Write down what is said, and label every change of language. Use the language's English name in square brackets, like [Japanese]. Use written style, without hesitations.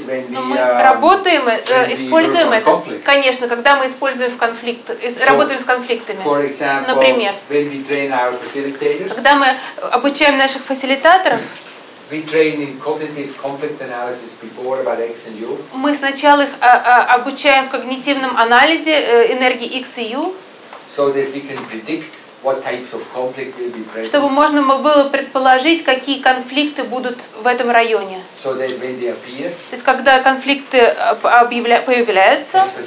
[Russian] Но мы работаем, используем это, конечно, когда мы используем работаем с конфликтами. Например, когда мы обучаем наших фасилитаторов, мы сначала их обучаем в когнитивном анализе энергии X и U. [English] So that we can predict what types of conflict will be present. [Russian] Чтобы можно было предположить, какие конфликты будут в этом районе. [English] So that when they appear. [Russian] То есть когда конфликты появляются.